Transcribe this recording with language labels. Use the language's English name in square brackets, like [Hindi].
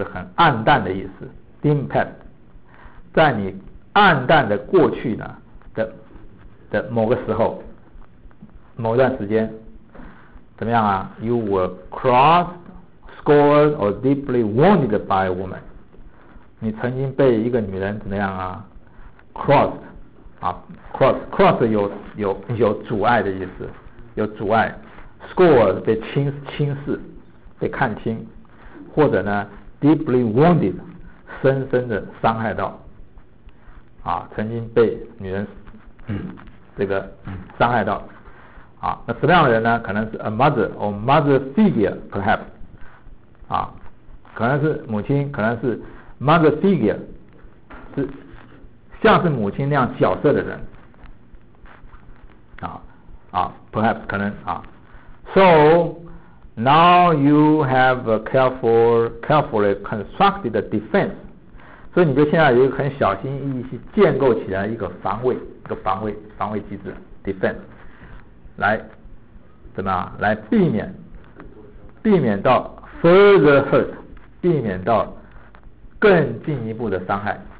[Chinese] 是很暗淡的意思。 [English] Dim past， [Chinese] 在你暗淡的过去呢 的某个时候，某段时间，怎么样啊 [English] ？You were crossed, scored, or deeply wounded by a woman. [Chinese] 你曾经被一个女人怎么样啊 ？Crossed。啊 ，cross 有阻碍的意思，有阻碍 ，score 被轻视，被看轻，或者呢 ， [English] deeply wounded [Chinese] 深深的伤害到，啊，曾经被女人这个伤害到，啊，那什么样的人呢？可能是 [English] a mother or mother figure perhaps， [Chinese] 啊，可能是母亲，可能是 mother figure 是。像是母亲那样角色的人啊啊 perhaps 可能啊 [English] so now you have a carefully constructed defense， [Chinese] 所以你就现在有一个很小心翼翼去建构起来一个防卫机制 defense 来怎么样来避免到 [English] further hurt， [Chinese] 避免到更进一步的伤害